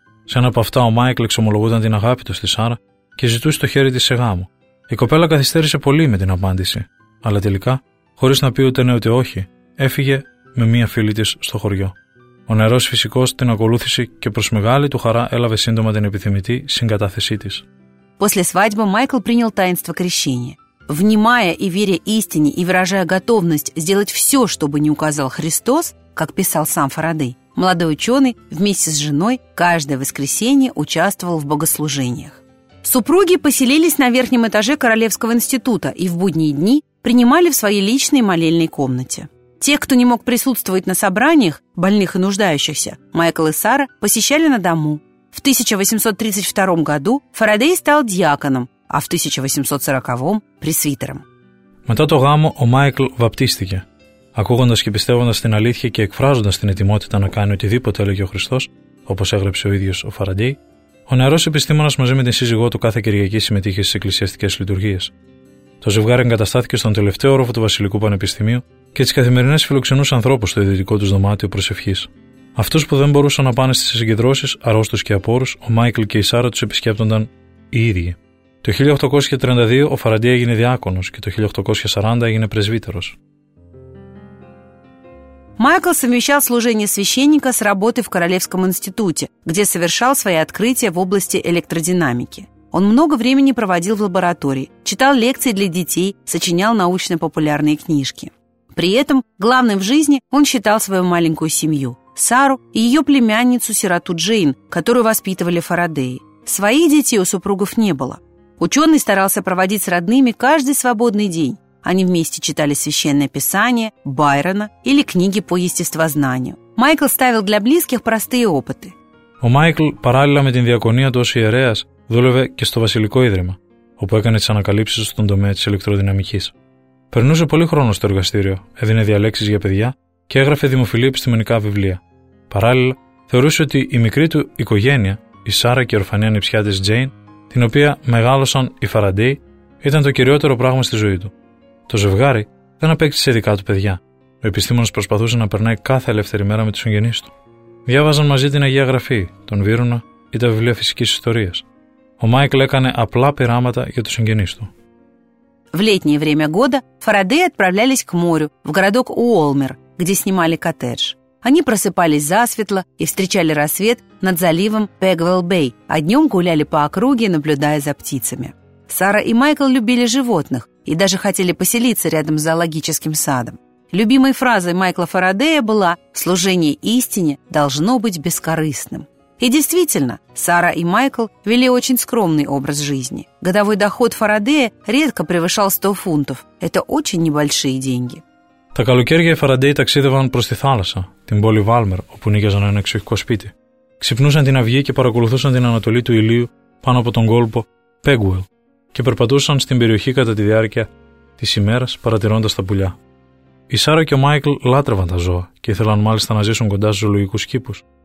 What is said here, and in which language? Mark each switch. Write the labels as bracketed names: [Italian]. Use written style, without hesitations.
[Greek] Σε ένα από αυτά ο Μάικλ εξομολογούταν την αγάπη του στη Σάρα και ζητούσε το χέρι της σε γάμο. Η κοπέλα καθυστέρησε πολύ με την απάντηση, αλλά τελικά, χωρίς να πει ούτε ναι ούτε όχι, έφυγε με μια φίλη της στο χωριό. Ο νεαρός φυσικός την ακολούθησε και προς μεγάλη του χαρά έλαβε σύντομα την επιθυμητή συγκατάθεσή της. [Russian] После свадьбы Майкл принял таинство крещения. Внимая и веря истине и выражая готовность сделать все, чтобы не указал Христос, как писал сам Фарадей, молодой ученый вместе с женой каждое воскресенье участвовал в богослужениях. Супруги поселились на верхнем этаже Королевского института и в будние дни принимали в своей личной молельной комнате. Те, кто не мог присутствовать на собраниях, больных и нуждающихся, Майкл и Сара посещали на дому. В 1832 году Фарадей стал диаконом, а в 1840-м – пресвитером. [Greek] Μετά το γάμο, ο Μάικλ βαπτίστηκε. Ακούγοντας και πιστεύοντας την αλήθεια και εκφράζοντας την ετοιμότητα να κάνει οτιδήποτε έλεγε ο Χριστός, όπως έγραψε ο ίδιος ο Φαραντέι, ο νεαρός επιστήμονας μαζί με την σύζυγό του κάθε Κυριακή συμμετείχε στις εκκλησιαστικές λειτουργίες. Το ζευγάρι εγκαταστάθηκε στον τελευταίο όροφο του Βασιλικού Πανεπιστημίου και τις καθημερινές φιλοξενούσε ανθρώπους στο ιδιωτικό τους δωμάτιο προσευχής. Αυτούς που δεν μπορούσαν να πάνε στις συγκεντρώσεις, αρρώστους και απόρους, ο Μάικλ και η Σάρα τους επισκέπτονταν οι ίδιοι. Το 1832 ο Φαραντέι έγινε διάκονος και το 1840 έγινε πρεσβύτερος. [Russian] Майкл совмещал служение священника с работой в Королевском институте, где совершал свои открытия в области электродинамики. Он много времени проводил в лаборатории, читал лекции для детей, сочинял научно-популярные книжки. При этом главным в жизни он считал свою маленькую семью – Сару и ее племянницу-сироту Джейн, которую воспитывали Фарадеи. Своих детей у супругов не было. Ученый старался проводить с родными каждый свободный день. Они вместе читали Священное Писание, Байрона или книги по естествознанию. Майкл ставил для близких простые опыты. [Greek] Ο Майкл, параллельно με την διακονία του ως ιερέας, δούλευε και στο Βασιλικό Ίδρυμα, όπου έκανε τις ανακαλύψεις στον τομέα της ηλεκτροδυναμικής. Περνούσε πολύ χρόνο στο εργαστήριο, έδινε διαλέξεις για παιδιά και έγραφε δημοφιλή επιστημονικά βιβλία. Παράλληλα, θεωρούσε ότι η μικρή του οικογένεια, η Σάρα και η ορφανή ανιψιά της Τζέιν, την οποία μεγάλωσαν οι Φαραντέι, ήταν το κυριότερο πράγμα στη ζωή του. Το ζευγάρι δεν απέκτησε δικά του παιδιά. Ο επιστήμονας προσπαθούσε να περνάει κάθε ελεύθερη μέρα με τους συγγενείς του. Διάβαζαν μαζί την Αγία Γραφή, τον Βίρουνα ή τα βιβλία φυσικής ιστορίας. Ο Μάικλ έκανε απλά πειράματα για τους συγγενείς του. [Russian] В летнее время года Фарадеи отправлялись к морю, в городок Уолмер, где снимали коттедж. Они просыпались засветло и встречали рассвет над заливом Пегвелл-Бэй, а днем гуляли по округе, наблюдая за птицами. Сара и Майкл любили животных и даже хотели поселиться рядом с зоологическим садом. Любимой фразой Майкла Фарадея была «Служение истине должно быть бескорыстным». И действительно, Сара и Майкл вели очень скромный образ жизни. Годовой доход Фарадея редко превышал 100 фунтов. Это очень небольшие деньги. [Greek] Τα καλοκαίρια οι Φαραντέι ταξίδευαν προς τη θάλασσα, την πόλη Βάλμερ, όπου νοικιάζαν ένα εξοχικό σπίτι. Ξυπνούσαν την αυγή και παρακολουθούσαν την ανατολή του ηλίου πάνω από τον κόλπο Πέγκουελ και περπατούσαν στην περιοχή κατά τη διάρκεια της ημέρας παρατηρώντας τα πουλιά. Η Σάρα και ο Μάικλ λάτρευαν τα ζώα και ήθελαν μάλιστα να ζήσουν κοντά στους ζωολογικούς κήπους.